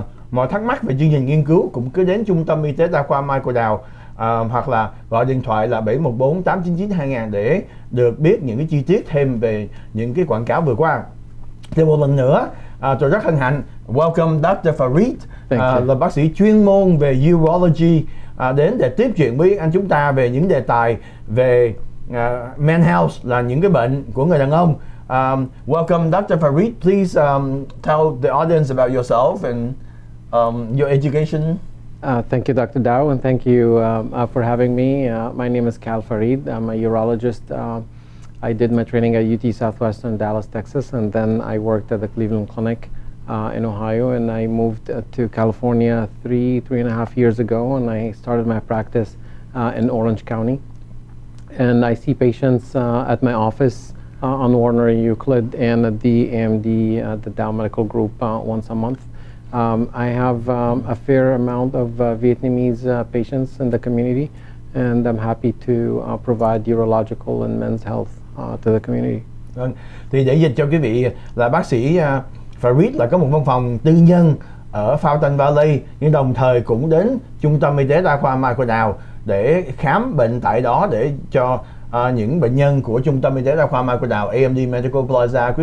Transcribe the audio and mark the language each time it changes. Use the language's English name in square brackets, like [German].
[Vietnamese] Mọi thắc mắc về chương trình nghiên cứu cũng cứ đến Trung tâm Y tế Đa khoa Michael Dow, hoặc là gọi điện thoại là 714-899-2000 để được biết những cái chi tiết thêm về những cái quảng cáo vừa qua. Thêm một lần nữa, tôi rất hân hạnh welcome Dr. Farid, là bác sĩ chuyên môn về urology, đến để tiếp chuyện với anh chúng ta về những đề tài về men health, là những cái bệnh của người đàn ông. [English] Welcome Dr. Farid, please tell the audience about yourself and your education. Thank you, Dr. Dao, and thank you for having me. My name is Khal Farid. I'm a urologist. I did my training at UT Southwestern, Dallas, Texas, and then I worked at the Cleveland Clinic in Ohio, and I moved to California three and a half years ago, and I started my practice in Orange County. And I see patients at my office on Warner and Euclid and at the AMD, the Dow Medical Group, once a month. I have a fair amount of Vietnamese patients in the community, and I'm happy to provide urological and men's health to the community. [Vietnamese] Vâng, thì để dịch cho quý vị là bác sĩ Farid là có một văn phòng tư nhân ở Fountain Valley, nhưng đồng thời cũng đến Trung tâm Y tế Đa khoa Michael Dao để khám bệnh tại đó để cho những bệnh nhân của Trung tâm Y tế Đa khoa Michael Dao AMD Medical Plaza.